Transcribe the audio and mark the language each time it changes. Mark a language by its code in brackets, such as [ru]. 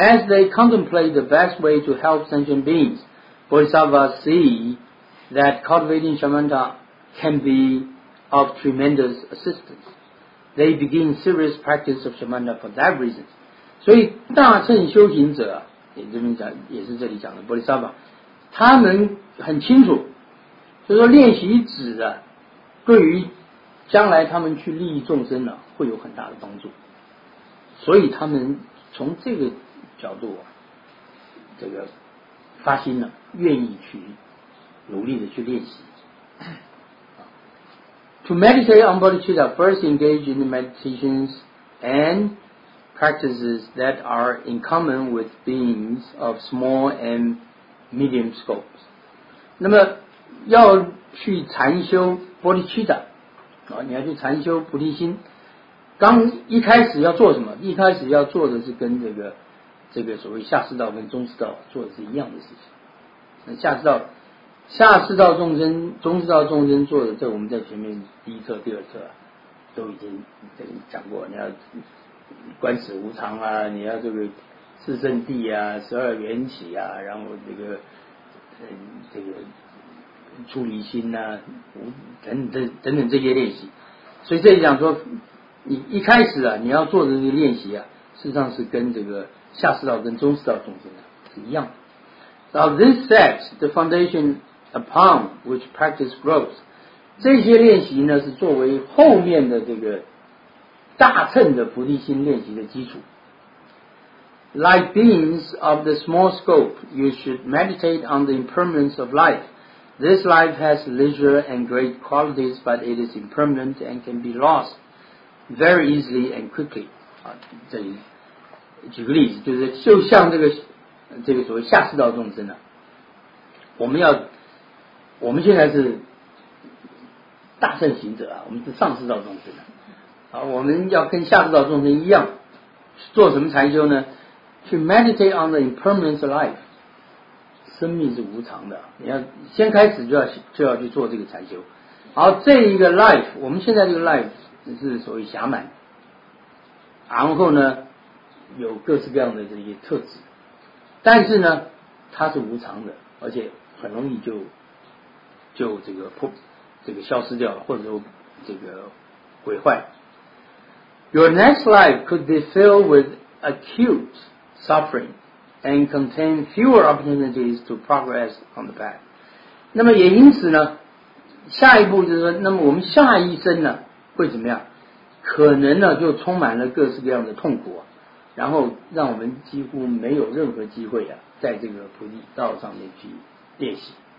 [en] As they contemplate the best way to help sentient beings， Bodhisattvas see that cultivating shamatha can be of tremendous assistance， they begin serious practice of shamatha for that reason。 [zh] 所以大乘修行者，你这边讲也是这里讲的波利萨巴，他们很清楚，就是说练习止的，对于将来他们去利益众生呢，会有很大的帮助。所以他们从这个角度啊，这个发心呢，愿意去努力的去练习。 [en] To meditate on bodhicitta, first engage in the meditations and practices that are in common with beings of small and medium scopes. [zh] 那么要去禅修波利契达，你要去禅修菩提心，刚一开始要做什么？一开始要做的是跟这个所谓下士道跟中士道做的是一样的事情。那下士道众生、中士道众生做的，这我们在前面第一册、第二册啊，都已经这个讲过，你要观死无常啊，你要这个四圣谛啊，十二缘起啊，然后这个出离心啊，等等这些练习。所以这里讲说，你一开始啊，你要做这个练习啊，事实上是跟这个下士道跟中士道众生啊是一样的。 [en] Now this sets the foundation upon which practice grows。 [zh] 这些练习呢，是作为后面的这个大乘的菩提心练习的基础。 [en] Like beings of the small scope, you should meditate on the impermanence of life. This life has leisure and great qualities, but it is impermanent and can be lost very easily and quickly. [zh] 啊，这里举个例子，就是就像这个所谓下士道众生呢，我们现在是大乘行者啊，我们是上士道众生的。好，我们要跟下士道众生一样做什么禅修呢？去 [en] meditate on the impermanence of life， [zh] 生命是无常的，你要先开始就要去做这个禅修。好，这一个 life， 我们现在这个 life 是所谓暇满，然后呢有各式各样的这些特质，但是呢它是无常的，而且很容易就这个消失掉了，或者说这个毁坏。 [en] Your next life could be filled with acute suffering and contain fewer opportunities to progress on the path. [zh] 那么也因此呢，下一步就是说，那么我们下一生呢会怎么样？可能呢就充满了各式各样的痛苦，然后让我们几乎没有任何机会啊，在这个菩提道上面去练习。